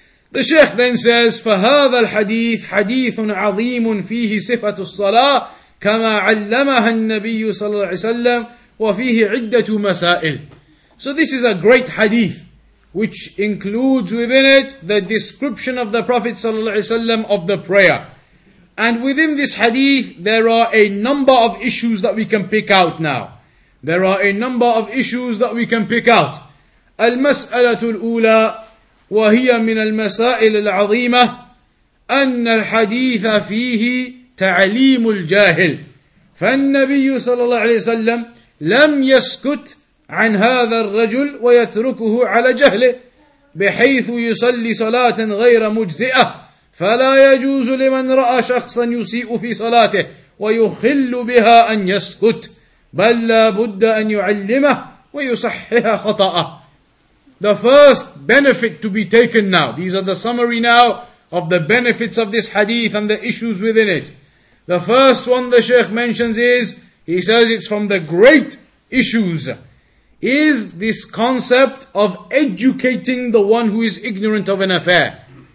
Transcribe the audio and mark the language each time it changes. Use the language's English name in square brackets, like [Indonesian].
[English] The Shaykh then says, [Arabic] فَهَذَا الْحَدِيثُ حَدِيثٌ عَظِيمٌ فِيهِ صِفَةُ الصَّلَاةِ كَمَا عَلَّمَهَا النَّبِيُّ صَلَى اللَّهُ عَلَيْهِ وَسَلَّمَ وَفِيهِ عِدَّةُ مَسَائِلٍ [English] So this is a great hadith, which includes within it the description of the Prophet صلى الله عليه وسلم of the prayer. And within this hadith, there are a number of issues that we can pick out now. There are a number of issues that we can pick out. [Arabic] المسألة الأولى وهي من المسائل العظيمة أن الحديث فيه تعليم الجاهل فالنبي صلى الله عليه وسلم لم يسكت عن هذا الرجل ويتركه على جهله بحيث يصلي صلاة غير مجزئة فلا يجوز لمن رأى شخصا يسيء في صلاته ويخل بها أن يسكت بَلْ لَا بُدَّ أَنْ يُعَلِّمَهُ وَيُصَحِّهَ خَطَأَهُ [English] The first benefit to be taken now. These are the summary now of the benefits of this hadith and the issues within it. The first one the Shaykh mentions is, he says it's from the great issues, is this concept of educating the one who is ignorant of an affair.